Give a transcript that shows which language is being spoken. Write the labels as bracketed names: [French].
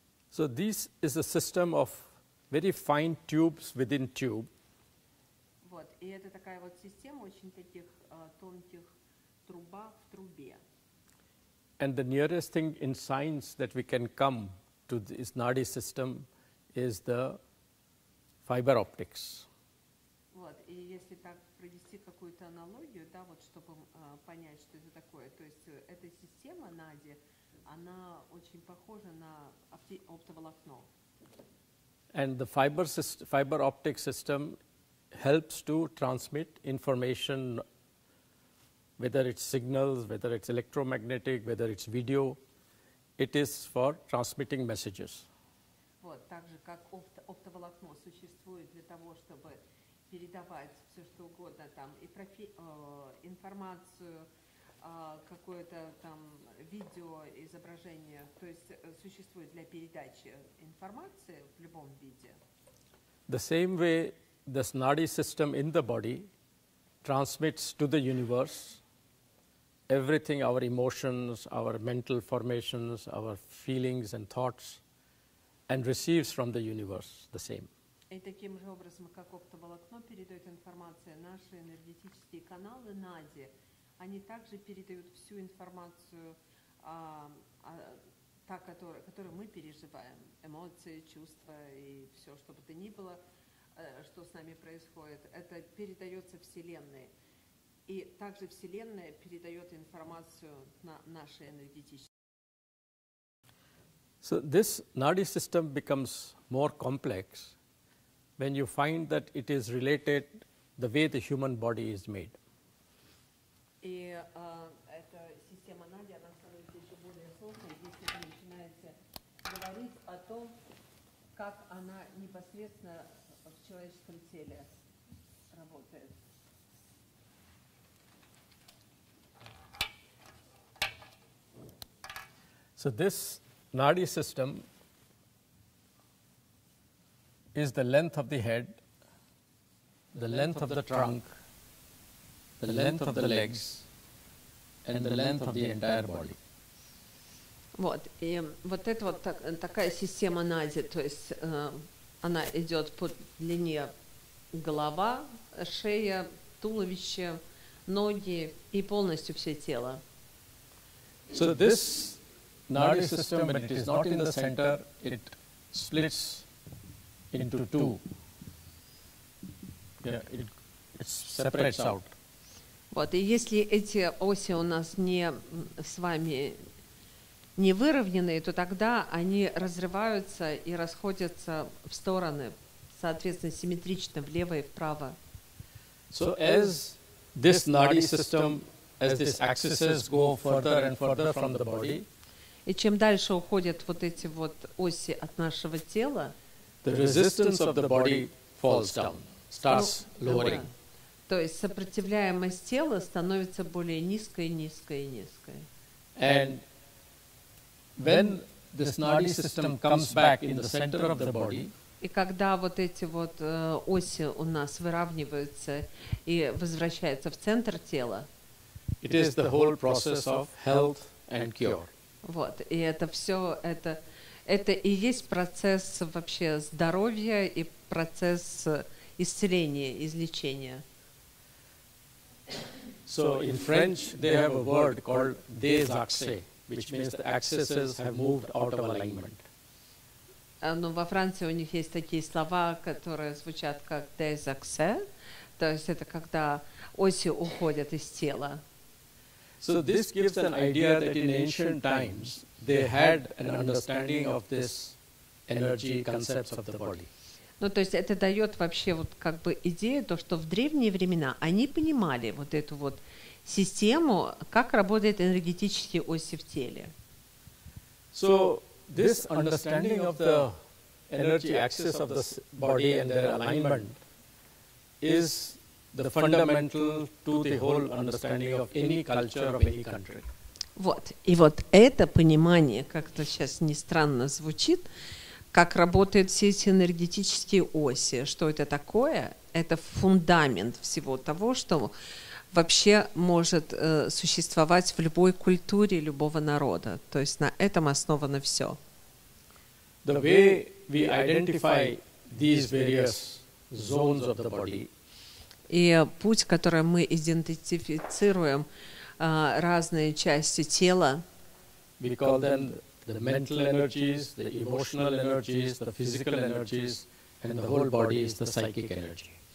[English] So this is a system of very fine tubes within tube. [Russian] Вот, и это такая вот система очень таких тонких труба в трубе. [English] And the nearest thing in science that we can come to this nadi system is the fiber optics. [Russian] Вот, и если так провести какую-то аналогию, да, вот чтобы понять, что это такое, то есть эта система нади, она очень похожа на оптоволокно. [English] And the fiber optic system helps to transmit information, whether it's signals, whether it's electromagnetic, whether it's video, it is for transmitting messages. [Russian] Вот, так же, как оптоволокно существует для того, чтобы передавать все, что угодно, там, и информацию, какое-то там видео, изображение, то есть существует для передачи информации в любом виде. [English] The same way this nadi system in the body transmits to the universe everything, our emotions, our mental formations, our feelings and thoughts, and receives from the universe the same. [Russian] И таким же образом, как оптоволокно передает информацию, наши энергетические каналы нади, они также передают всю информацию, та, которую мы переживаем, эмоции, чувства и все, что бы то ни было, что с нами происходит, это передается Вселенной. И также Вселенная передает информацию на наши энергетические. [English] So this nadi system becomes more complex when you find that it is related the way the human body is made. [Russian] И эта система нади, она становится еще более сложной, если вы начинаете говорить о том, как она непосредственно в человеческом теле работает. [English] So this nadi system is the length of the head, the length of the trunk, the length of the legs, and the length of the entire body. [Russian] Вот, и вот это вот такая система нади, то есть она идет по длине голова, шея, туловище, ноги и полностью все тело. [English] So this nadi system, when it is not in the center, it splits into two. Yeah, it separates out. [Russian] Вот, и если эти оси у нас не с вами не выровненные, то тогда они разрываются и расходятся в стороны, соответственно, симметрично влево и вправо. [English] So as this nadi system, as these axes go further and further from the body, [Russian] и чем дальше уходят вот эти вот оси от нашего тела, [English] the resistance of the body falls down, starts lowering. [Russian] То есть сопротивляемость тела становится более низкой, низкой, низкой. [English] And when this nadi system comes back in the center of the body, [Russian] и когда вот эти вот оси у нас выравниваются и возвращаются в центр тела, [English] it is the whole process of health and cure. [Russian] Вот, и это все, это и есть процесс вообще здоровья и процесс исцеления, излечения. [English] So in French they have a word called désaxé, which means the axes have moved out of alignment. [Russian] Ну, во Франции у них есть такие слова, которые звучат как désaxé, то есть это когда оси уходят из тела. [English] So this gives an idea that in ancient times they had an understanding of this energy concepts of the body. [Russian] Ну, то есть это дает вообще вот как бы идею, то, что в древние времена они понимали вот эту вот систему, как работают энергетические оси в теле. [English] So this understanding of the energy axis of the body and their alignment is the fundamental to the whole understanding of any culture of any country. [Russian] Вот. И вот это понимание, как это сейчас не странно звучит, как работают все эти энергетические оси, что это такое, это фундамент всего того, что вообще может существовать в любой культуре любого народа. То есть на этом основано все. [English] The way we identify these various zones of the body, [Russian] и путь, которым мы идентифицируем разные части тела, [English] we call them the mental energies, the emotional energies, the physical energies, and the whole body is the psychic energy.